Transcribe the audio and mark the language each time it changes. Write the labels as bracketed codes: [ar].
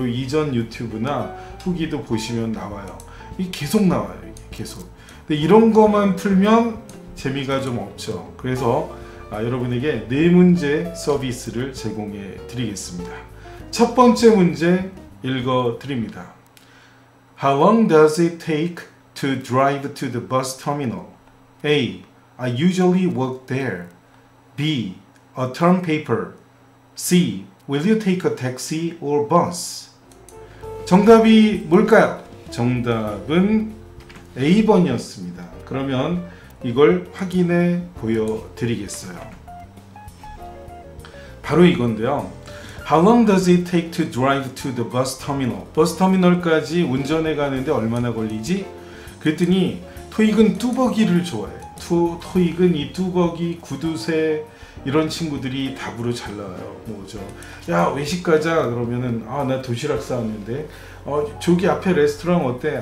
[ko] 요 이전 유튜브나 후기도 보시면 나와요. 이게 계속 나와요. 이게 계속. 근데 이런 것만 풀면 재미가 좀 없죠. 그래서 여러분에게 네 문제 서비스를 제공해 드리겠습니다. 첫 번째 문제 읽어드립니다. [en] How long does it take to drive to the bus terminal? A. I usually work there. B. A term paper. C. Will you take a taxi or bus? [ko] 정답이 뭘까요? 정답은 A번이었습니다. 그러면 이걸 확인해 보여드리겠어요. 바로 이건데요. [en] How long does it take to drive to the bus terminal? [ko] 버스 터미널까지 운전해 가는데 얼마나 걸리지? 그랬더니 토익은 뚜벅이를 좋아해. 토익은 이 뚜벅이, 구두쇠 이런 친구들이 답으로 잘 나와요. 뭐죠? 야, 외식 가자. 그러면은 아, 나 도시락 싸왔는데. 저기 앞에 레스토랑 어때?